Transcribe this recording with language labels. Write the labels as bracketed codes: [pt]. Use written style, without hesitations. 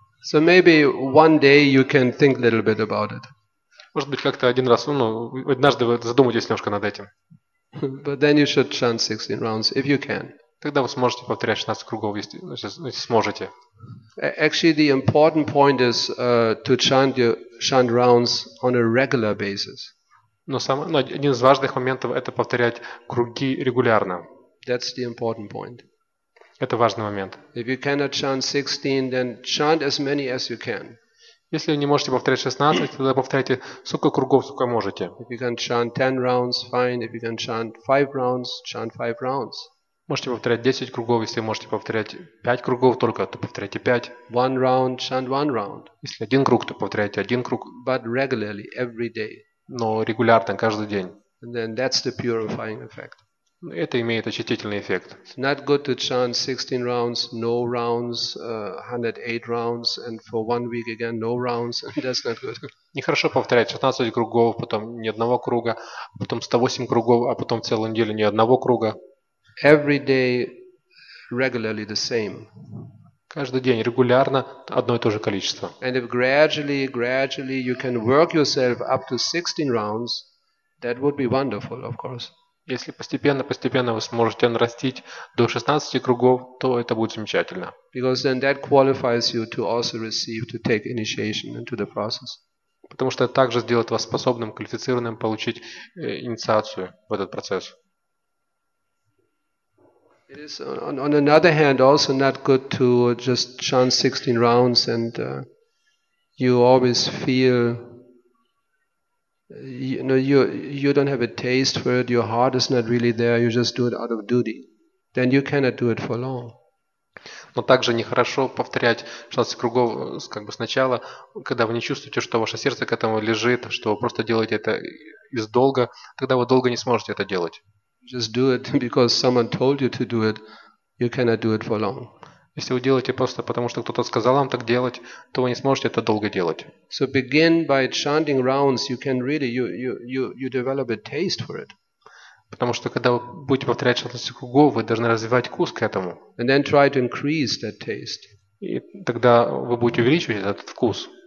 [en] So maybe one day you can think a little bit about it. [ru] Может быть, как-то один раз, ну, однажды вы задумаетесь немножко над этим. [en] But then you should chant 16 rounds if you can. [ru] Тогда вы сможете повторять 16 кругов, если сможете. [en] Actually, the important point is to chant rounds on a regular basis. [ru] Но один из важных моментов это повторять круги регулярно. [en] That's the important point. [ru] Это важный момент. [en] If you cannot chant 16, then chant as many as you can. [ru] Если вы не можете повторять 16, тогда повторяйте сколько кругов, сколько можете. [en] If you can chant 10 rounds, fine. If you can chant 5 rounds, chant 5 rounds. [ru] Можете повторять 10 кругов, если можете повторять 5 кругов только, то повторяйте 5. [en] One round, chant one round. [ru] Если один круг, то повторяйте один круг. [en] But regularly, every day. [ru] Но регулярно, каждый день. [en] And then that's the purifying effect. [ru] Это имеет очистительный эффект. [en] It's not good to chant 16 rounds, no rounds, 108 rounds, and for 1 week again no rounds. That's not good. [ru] Нехорошо повторять 16 кругов, потом ни одного круга, потом 108 кругов, а потом целую неделю ни одного круга. [en] Every day regularly the same. [ru] Каждый день регулярно одно и то же количество. [en] And if gradually you can work yourself up to 16 rounds, that would be wonderful, of course. [ru] Если постепенно вы сможете нарастить до 16 кругов, то это будет замечательно. [en] Because then that qualifies you to also receive, to take initiation into the process. [ru] Потому что это также сделает вас способным, квалифицированным получить инициацию в этот процесс. [en] It is on another hand also not good to just chant 16 rounds and you always feel you don't have a taste for it, your heart is not really there, you just do it out of duty. Then you cannot do it for long. [ru] Но также нехорошо повторять 16 кругов как бы сначала, когда вы не чувствуете, что ваше сердце к этому лежит, что вы просто делаете это из долга, тогда вы долго не сможете это делать. [en] Just do it because someone told you to do it, you cannot do it for long. [ru] Если вы делаете просто потому, что кто-то сказал вам так делать, то вы не сможете это долго делать. [en] So begin by chanting rounds, you can really you develop a taste for it. [ru] Потому что когда вы будете повторять шантасы кугу, вы должны развивать вкус к этому. [en] And then try to increase that taste. [ru] И тогда вы будете увеличивать этот вкус.